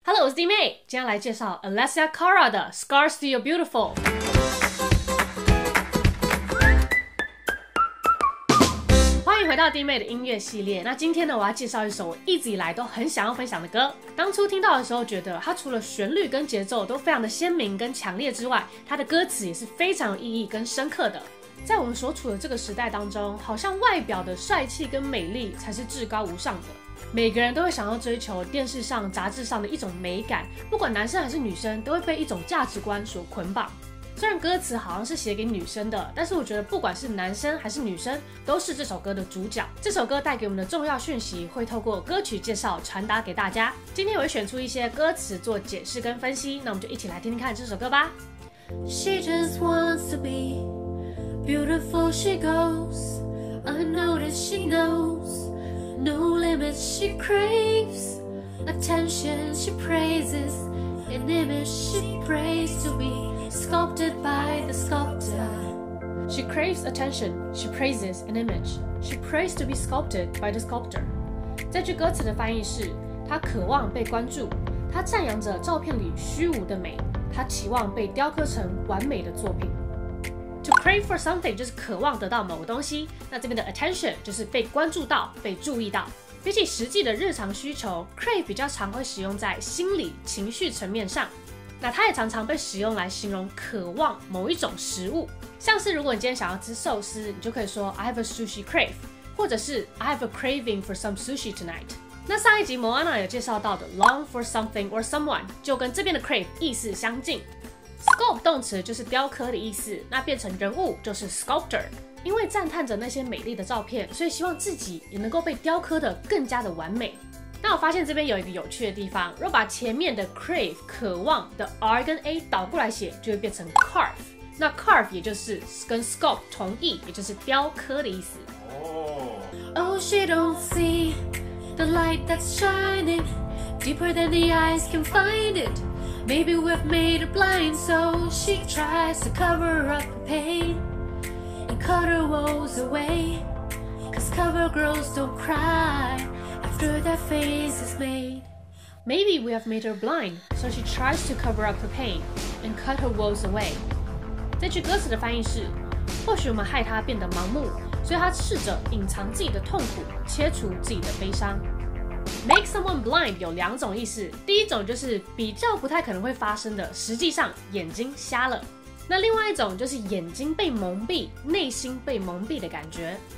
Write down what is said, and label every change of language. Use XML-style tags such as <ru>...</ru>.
<zh>Hello， 我是弟妹，今天来介绍 Alessia Cara 的 Scars to You Beautiful。欢迎回到弟妹的音乐系列。那今天呢，我要介绍一首我一直以来都很想要分享的歌。当初听到的时候，觉得它除了旋律跟节奏都非常的鲜明跟强烈之外，它的歌词也是非常有意义跟深刻的。在我们所处的这个时代当中，好像外表的帅气跟美丽才是至高无上的。每个人都会想要追求电视上、杂志上的一种美感，不管男生还是女生，都会被一种价值观所捆绑。虽然歌词好像是写给女生的，但是我觉得不管是男生还是女生，都是这首歌的主角。这首歌带给我们的重要讯息，会透过歌曲介绍传达给大家。今天我会选出一些歌词做解释跟分析，那我们就一起来听听看这首歌吧。</zh> <en>She just wants to be beautiful, she goes unnoticed, she knows. No limits, she craves attention, she praises an image, she prays to be sculpted by the sculptor. She craves attention, she praises an image, she prays to be sculpted by the sculptor.</en> <zh>这句歌词的翻译是：她渴望被关注，她赞扬着照片里虚无的美，她期望被雕刻成完美的作品。</zh> <en>To crave for something</en> <zh>就是渴望得到某个东西，那这边的 attention 就是被关注到、被注意到。比起实际的日常需求， crave 比较常会使用在心理、情绪层面上。那它也常常被使用来形容渴望某一种食物，像是如果你今天想要吃寿司，你就可以说</zh> <en>I have a sushi crave，</en> <zh>或者是</zh> <en>I have a craving for some sushi tonight。</en> <zh>那上一集 Moana 有介绍到的</zh> <en>long for something or someone</en> <zh>就跟这边的 crave 意思相近。 Sculpt 动词就是雕刻的意思，那变成人物就是 sculptor。因为赞叹着那些美丽的照片，所以希望自己也能够被雕刻的更加的完美。那我发现这边有一个有趣的地方，若把前面的 crave 渴望的 R 跟 A 倒过来写，就会变成 carve。那 carve 也就是跟 sculpt 同义，也就是雕刻的意思。</zh> <en>Oh she don't see the light that's shining deeper than the eyes can find itMaybe we've made her blind, so she tries to cover up her pain and cut her woes away. Cause covergirls don't cry after their face is made. Maybe we have made her blind, so she tries to cover up her pain and cut her woes away.</en> <zh>这句歌词的翻译是：或许我们害她变得盲目，所以她试着隐藏自己的痛苦，切除自己的悲伤。 Make someone blind 有两种意思，第一种就是比较不太可能会发生的，实际上眼睛瞎了。那另外一种就是眼睛被蒙蔽，内心被蒙蔽的感觉。</zh>